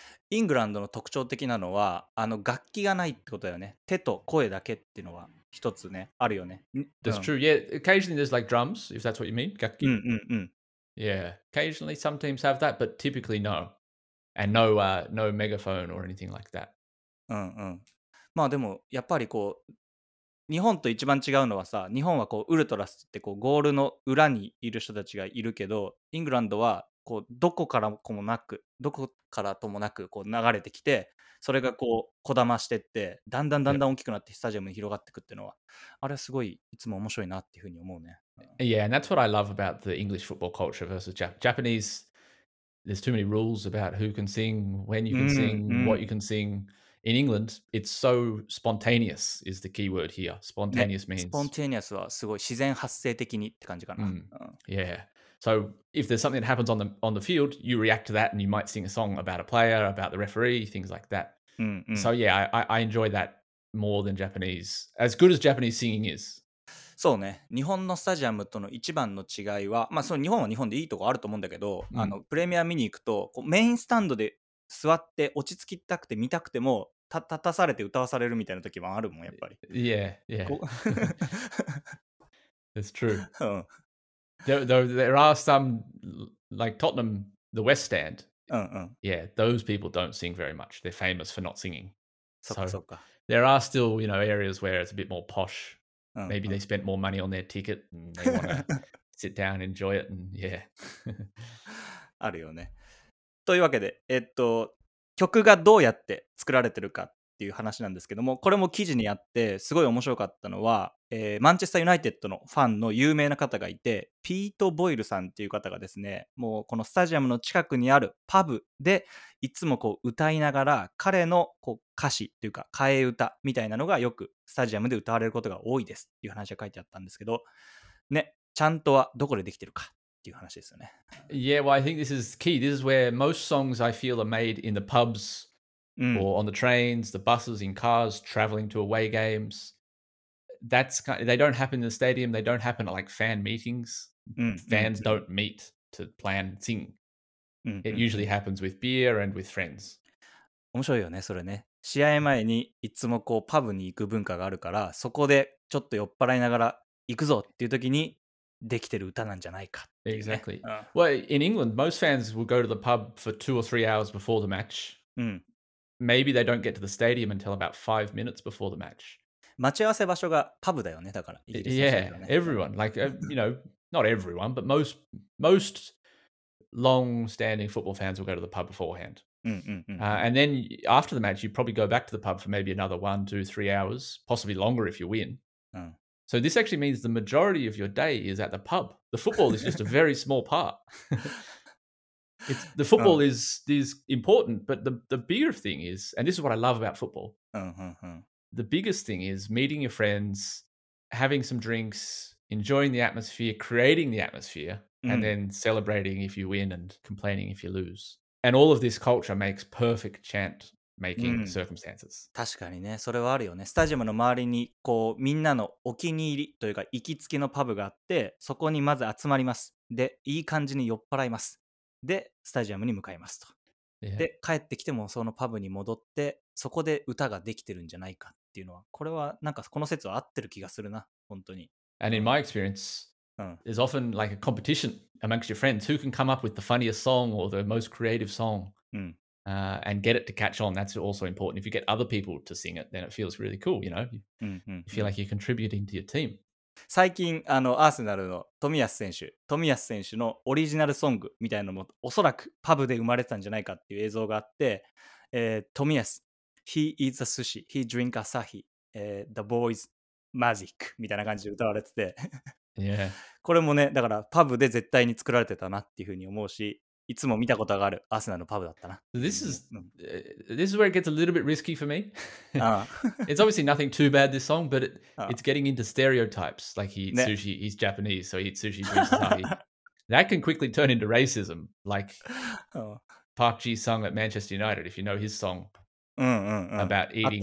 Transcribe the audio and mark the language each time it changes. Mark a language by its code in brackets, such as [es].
[ja] イングランドの特徴的なのは、あの楽器がないってことだよね。手と声だけっていうのは。一つね、あるよね。 [en] That's true. Yeah, occasionally there's like drums, if that's what you mean. [ja] 楽器。 [en] Yeah, occasionally some teams have that, but typically no. And no megaphone or anything like that. [ja] まあでも、やっぱりこう、日本と一番違うのはさ、日本はこう、ウルトラスってこう、ゴールの裏にいる人たちがいるけど、イングランドはこう、どこからともなくこう流れてきて、それがこうこだましてってだんだんだんだん大きくなってスタジアムに広がっていくっていうのは、あれはすごいいつも面白いなっていうふうに思うね。 [en] Yeah, and that's what I love about the English football culture versus Japanese. There's too many rules about who can sing, when you can sing, what you can sing. In England, it's so spontaneous is the key word here. Spontaneous means. [ja] Spontaneous はすごい自然発生的にって感じかな。 [en] Yeah. So if there's something that happens on the field, you react to that and you might sing a song about a player, about the referee, things like that. So yeah, I enjoy that more than Japanese. As good as Japanese singing is. [ja] そうね。日本のスタジアムとの一番の違いは、まあその日本は日本でいいとこあると思うんだけど、あのプレミア見に行くと、こうメインスタンドで座って落ち着きたくて見たくても、立たされて歌わされるみたいな時もあるもん、やっぱり。 [en] Yeah, yeah. That's true. There are some, like Tottenham, the West Stand. Yeah, those people don't sing very much. They're famous for not singing. So there are still, you know, areas where it's a bit more posh. Maybe they spent more money on their ticket and they want to sit down and enjoy it. And yeah. [ja] あるよね。というわけで、曲がどうやって作られてるかっていう話なんですけども、これも記事にあって、すごい面白かったのは、マンチェスターユナイテッドのファンの有名な方がいて、ピート・ボイルさんっていう方がですね、もうこのスタジアムの近くにあるパブでいつもこう歌いながら、彼のこう歌詞っていうか替え歌みたいなのがよくスタジアムで歌われることが多いですっていう話が書いてあったんですけどね、ちゃんとはどこでできてるかっていう話ですよね。 [en] Yeah, well, I think this is key. This is where most songs I feel are made in the pubs or on the trains, the buses, in cars, traveling to away games. That's kind of, they don't happen in the stadium. They don't happen at like fan meetings. Fans don't meet to plan sing. It usually happens with beer and with friends. [ja] 面白いよね、それね。試合前にいつもこうパブに行く文化があるから、そこでちょっと酔っ払いながら行くぞっていう時にできてる歌なんじゃないかっていう、ね。 [en] Exactly. Well, in England, most fans will go to the pub for 2 or 3 hours before the match. Maybe they don't get to the stadium until about 5 minutes before the match. [ja] 待ち合わせ場所がパブだよね、だから。 [en] Yeah, everyone. Like, you know, not everyone, but most long-standing football fans will go to the pub beforehand. And then after the match, you probably go back to the pub for maybe another 1, 2, 3 hours, possibly longer if you win. So this actually means the majority of your day is at the pub. The football is just a very small part. The football is important, but the bigger thing is, and this is what I love about football. The biggest thing is meeting your friends, having some drinks, enjoying the atmosphere, creating the atmosphere, and then celebrating if you win and complaining if you lose. And all of this culture makes perfect chant making circumstances. [ja] 確かにね、それはあるよね。スタジアムの周りにこうみんなのお気に入りというか行きつけのパブがあって、そこにまず集まります。で、いい感じに酔っ払います。で、スタジアムに向かいますと。 [en] Yeah. [ja] で、帰ってきてもそのパブに戻って、そこで歌ができてるんじゃないかっていうのは、これはなんかこの説は合ってる気がするな、本当に。 [en] And in my experience,there's often like a competition amongst your friends who can come up with the funniest song or the most creative song、and get it to catch on. That's also important. If you get other people to sing it, then it feels really cool, you know. You feel like you're contributing to your team. [ja] 最近あのアーセナルの富安選手のオリジナルソングみたいなのもおそらくパブで生まれてたんじゃないかっていう映像があって、富安 [en] He eats a sushi, he drinks asahi、the boy's magic [ja] みたいな感じで歌われてて [en] Yeah. [ja] これもね、だからパブで絶対に作られてたなっていうふうに思うし、いつも見たことがあるアーセナルのパブだったな。 [en] This is where it gets a little bit risky for me. It's obviously nothing too bad, this song, but it's getting into stereotypes. Like he eats、ね、sushi, he's Japanese, so he eats sushi, drinks sake. That can quickly turn into racism. Like Park Ji sung at Manchester United, if you know his song about eating、